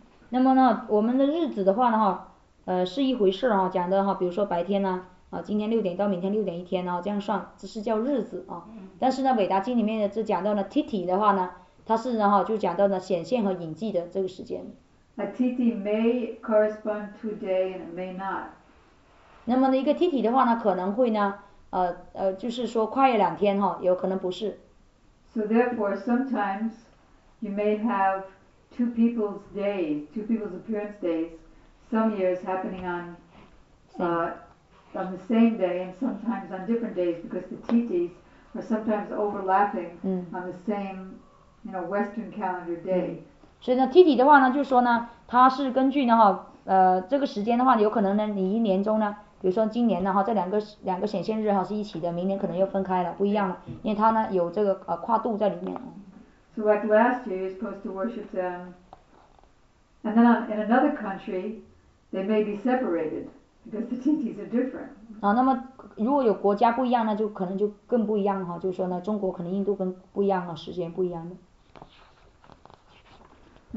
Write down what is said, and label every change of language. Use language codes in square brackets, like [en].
[zh] 那么呢，我们的日子的话呢，是一回事啊，讲的哈，比如说白天呢，今天六点到明天六点一天呢，这样算，这是叫日子啊。但是呢，伟达经里面这讲到了 titi 的话呢，它是呢哈，就讲到了显现和隐迹的这个时间。 [en] A titi may correspond to day and it may not. [zh] 那么呢，一个 titi 的话呢，可能会呢，就是说跨越两天哈，有可能不是。 [en] So therefore, sometimes you may have two people's days, two people's appearance days, some years happening on the same day and sometimes on different days because the titis are sometimes overlapping on the same, you know, Western calendar day. [zh] 所以呢 ,titi 的话呢就是说呢它是根据呢这个时间的话有可能呢你一年中呢比如说今年呢哈，这两个显现日哈是一起的，明年可能又分开了，不一样了，因为它呢有这个跨度在里面。 [en] So like last year, you're supposed to worship them, and then in another country, they may be separated because the titis are different. [zh] 啊，那么如果有国家不一样呢，就可能就更不一样哈，就是说呢，中国可能印度跟不一样啊，时间不一样的。